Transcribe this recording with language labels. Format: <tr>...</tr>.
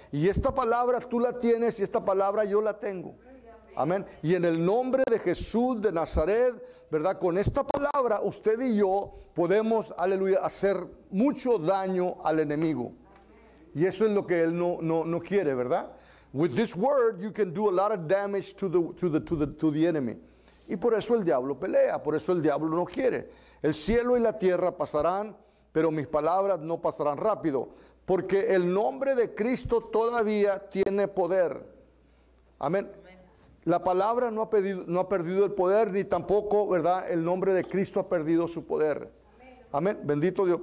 <es>Y esta palabra tú la tienes y esta palabra yo la tengo. Amén. Y en el nombre de Jesús de Nazaret, ¿verdad? Con esta palabra, usted y yo podemos, aleluya, hacer mucho daño al enemigo. Y eso es lo que él no quiere, ¿verdad?</es> <en>With this word, you can do a lot of damage to the enemy.</en> <es>Y por eso el diablo pelea, por eso el diablo no quiere. El cielo y la tierra pasarán, pero mis palabras no pasarán rápido. Porque el nombre de Cristo todavía tiene poder. Amén. La palabra no ha pedido, no ha perdido el poder, ni tampoco, ¿verdad?, el nombre de Cristo ha perdido su poder. Amén. Bendito Dios.</es>